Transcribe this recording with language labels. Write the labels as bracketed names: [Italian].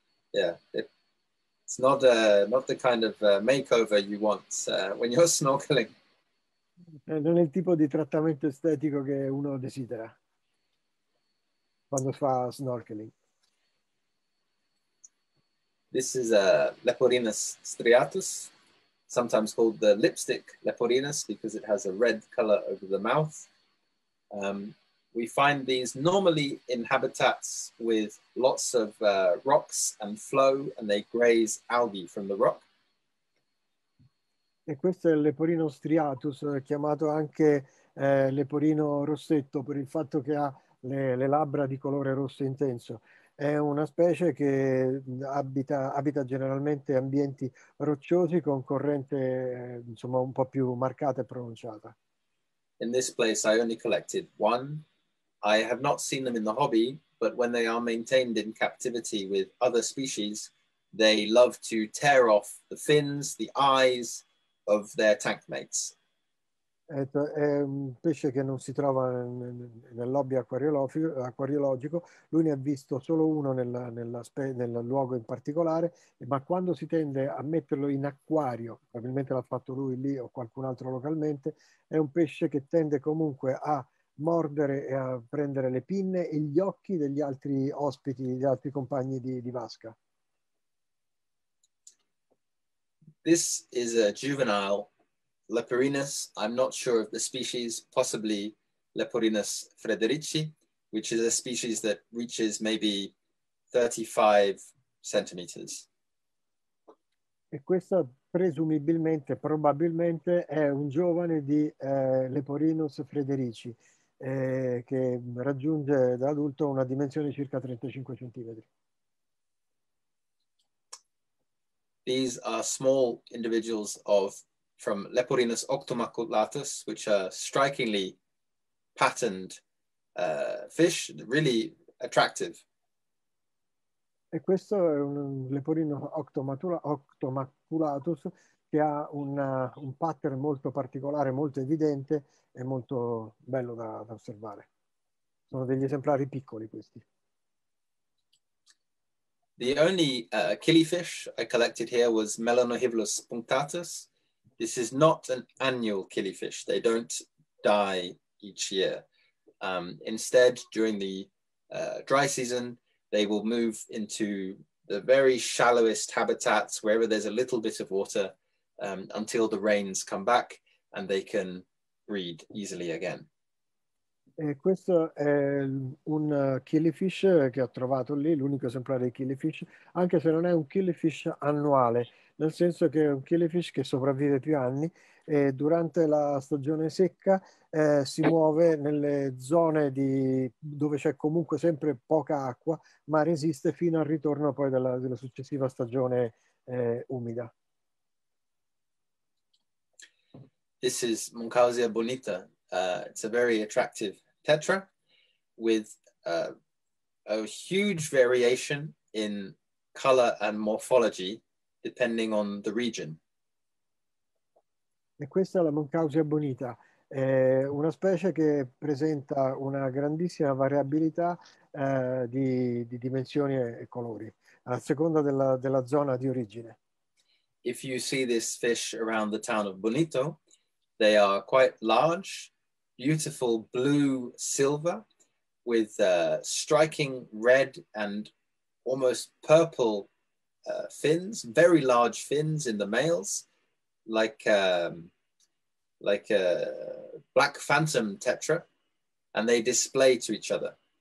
[English] Yeah, it's not the kind of makeover you want when you're snorkeling. [Italian] Non è il tipo di trattamento estetico che uno desidera quando fa snorkeling. [English] This is a Leporinus striatus, sometimes called the lipstick Leporinus because it has a red color over the mouth. We find these normally in habitats with lots of rocks and flow, and they graze algae from the rock. [Italian] E questo è il leporino striatus, chiamato anche leporino rossetto per il fatto che ha le labbra di colore rosso intenso. È una specie che abita generalmente ambienti rocciosi con corrente insomma, un po' più marcata e pronunciata. [English] In this place, I only collected one. I have not seen them in the hobby, but when they are maintained in captivity with other species, they love to tear off the fins, the eyes of their tank mates. [Italian] È un pesce che non si trova nel lobby acquariologico, lui ne ha visto solo uno nel luogo in particolare, ma quando si tende a metterlo in acquario, probabilmente l'ha fatto lui lì o qualcun altro localmente, è un pesce che tende comunque a mordere e a prendere le pinne e gli occhi degli altri ospiti, degli altri compagni di vasca. [English] This is a juvenile Leporinus. I'm not sure of the species, possibly Leporinus frederici, which is a species that reaches maybe 35 centimeters. [Italian] E questo presumibilmente, probabilmente, è un giovane di Leporinus frederici, che raggiunge da adulto una dimensione di circa 35 centimetri. [English] These are small individuals from Leporinus octomaculatus, which are strikingly patterned fish, really attractive. [Italian] E questo è un leporino octomaculatus che ha un pattern molto particolare, molto evidente e molto bello da osservare. Sono degli esemplari piccoli questi. [English] The only killifish I collected here was Melanohyvlus punctatus. This is not an annual killifish. They don't die each year. Instead, during the dry season, they will move into the very shallowest habitats, wherever there's a little bit of water, until the rains come back and they can breed easily again. [Italian] E questo è un killifish che ho trovato lì, l'unico esemplare di killifish, anche se non è un killifish annuale, nel senso che è un killifish che sopravvive più anni e durante la stagione secca si muove nelle zone dove c'è comunque sempre poca acqua, ma resiste fino al ritorno poi della successiva stagione umida. [English] This is Muncausia bonita. It's a very attractive tetra with a huge variation in color and morphology depending on the region. [Italian] E questa è la Muncausia bonita, è una specie che presenta una grandissima variabilità di dimensioni e colori, a seconda della zona di origine. [English] If you see this fish around the town of Bonito, they are quite large, beautiful blue silver with striking red and almost purple fins, very large fins in the males, like a black phantom tetra, and they display to each other.